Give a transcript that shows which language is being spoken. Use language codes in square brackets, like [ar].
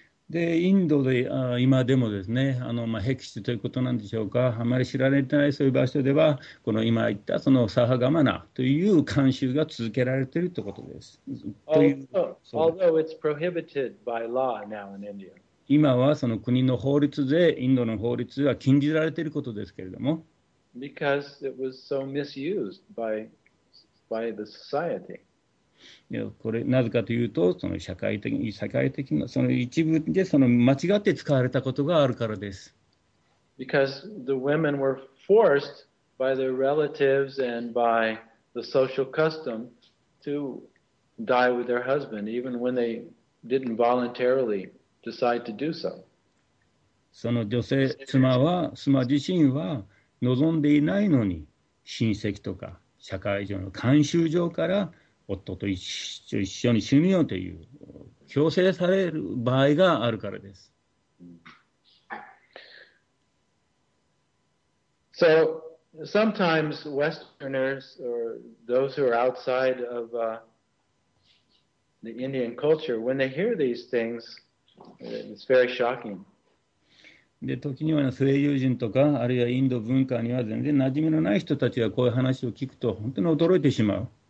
[ja] でインドで今でもですね、僻地ということなんでしょうか、あまり知られてないそういう場所では、この今言ったそのサハガマナという慣習が続けられているということです。 [en] Although it's prohibited by law now in India. [ja] 今はその国の法律で、インドの法律は禁じられていることですけれども。 [en] Because it was so misused by the society. [ja] これなぜかというとその社会的なその一部でその間違って使われたことがあるからです。 [en] Because the women were forced by their relatives and by the social custom to die with their husband, even when they didn't voluntarily decide to do so. [ja] その女性、妻自身は望んでいないのに親戚とか社会上の慣習上から夫と一緒に死ぬよという強制される場合があるからです。 [en] So sometimes Westerners or those who are outside of the Indian culture, when they hear these things, it's very shocking. [ja] で、時には西洋人とかあるいはインド文化には全然馴染みのない人たちがこういう話を聞くと本当に驚いてしまう。